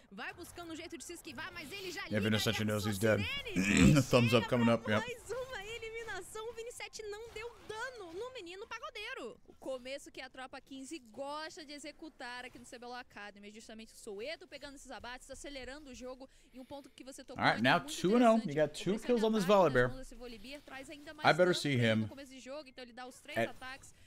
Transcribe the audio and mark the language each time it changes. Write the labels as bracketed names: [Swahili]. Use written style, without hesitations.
[Portuguese] Vai buscando um jeito de se esquivar, mas ele já liga a [English] knows he's dead. Thumbs up coming up, yeah. [Portuguese] Mais uma eliminação, o Vini 7 não deu dano no menino pagodeiro. O começo que a Tropa 15 gosta de executar aqui no CBLOL Academy, justamente o Soeto pegando esses abates, acelerando o jogo, e um ponto que você tocou. [English] All right, now 2-0, you got 2 kills on this Volibear. I better see him. [Portuguese] No começo de jogo, então ele dá os 3 ataques.